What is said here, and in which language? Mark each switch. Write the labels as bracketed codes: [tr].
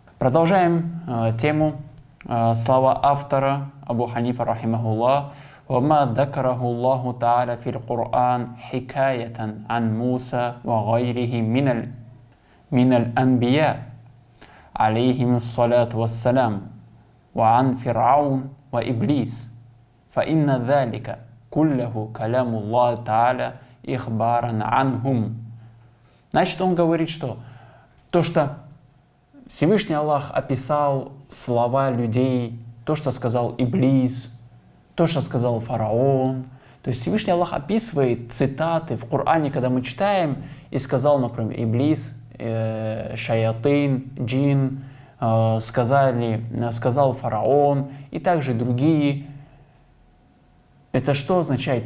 [ru] Продолжаем тему. Слова автора Абу Ханифа рахимахуллах. [ar] «Вама дакараху Аллаху Та'аля фил Кур'ан хикаятан ан Муса ва гайрихи миналь анбия алейхим ссалату вассалям». وعن فرعون وإبليس فإن ذلك كله كلام الله تعالى إخبارا عنهم. [ru] Значит, он говорит, что то, что Всевышний Аллах описал слова людей, то, что сказал Иблис, то, что сказал фараон, то есть Всевышний Аллах описывает цитаты в Коране, когда мы читаем, и сказал, например, Иблис, шаятин, джин, сказал фараон и также другие. Это что означает?